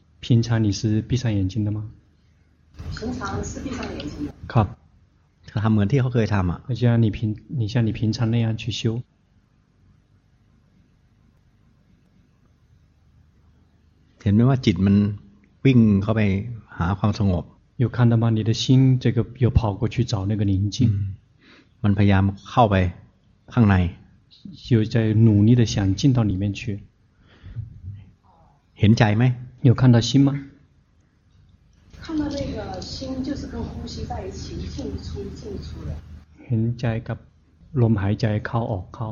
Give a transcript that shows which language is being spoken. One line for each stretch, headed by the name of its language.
Chinese: 平常你是闭上眼睛的吗？平常是闭上眼睛。
Thai: ครับ เขาทำเหมือนที่เขาเคยทำอ่ะ
Chinese: 就像你平常那样去修。
Thai: เห็นไหมว่าจิตมันวิ่งเข้าไปหาความสงบ
Chinese: 有看到吗？你的心这个又跑过去找那个宁静。
Thai: มันพยายามเข้าไปข้างใน
Chinese: 就在努力的想进到里面去。
Thai: เห็นใจไหม
Chinese: 有看到心吗？看到那个心就是跟呼吸在一起进出进出的。
Thai: เห็นใจกับลมหายใจเข้าออก